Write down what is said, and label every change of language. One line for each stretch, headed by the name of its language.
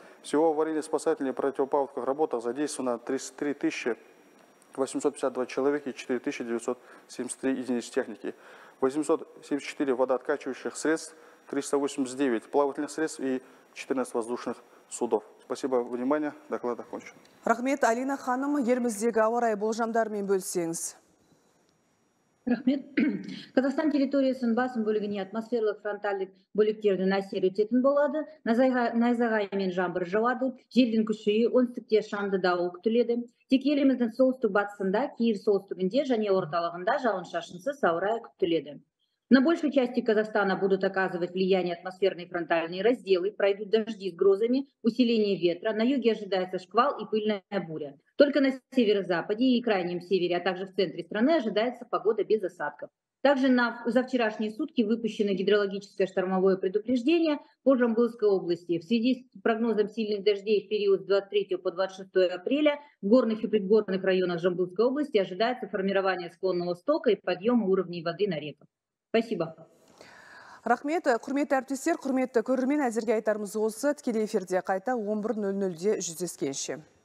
Russian: Всего в аварийно-спасательных противопаводковых работах задействовано 33 852 человека и 4973 единицы техники. 874 водооткачивающих средств, 389 плавательных средств и 14 воздушных судов. Спасибо за внимание. Доклад окончен.
Kazakh: Рахмет, Алина ханым, еліміздегі ауа-райы болжамдарымен бөлсеңіз. Рахмет. Казахстан территориясының басым бөлігіне атмосфералық фронтальдік бөліктердің әсері өтетін болады. Найзағаймен жаңбыр жауады. Желдің күші оңтүстікте шаңды дауыл күтіледі. Тек еліміздің солтүстік батысында, кейбір солтүстігінде және орталығында жауын-шашынсыз ауа райы күтіледі.
Russian: На большей части Казахстана будут оказывать влияние атмосферные фронтальные разделы, пройдут дожди с грозами, усиление ветра, на юге ожидается шквал и пыльная буря. Только на северо-западе и крайнем севере, а также в центре страны ожидается погода без осадков. Также за вчерашние сутки выпущено гидрологическое штормовое предупреждение по Жамбылской области. В связи с прогнозом сильных дождей в период с 23 по 26 апреля в горных и пригорных районах Жамбылской области ожидается формирование склонного стока и подъем уровней воды на реках. Спасибо.
Kazakh: Рахмет, құрметті әріптестер, құрметті көрермен, әзірге айтарымыз осы. Тікелей эфирде қайта 11:00-де жүздескенше.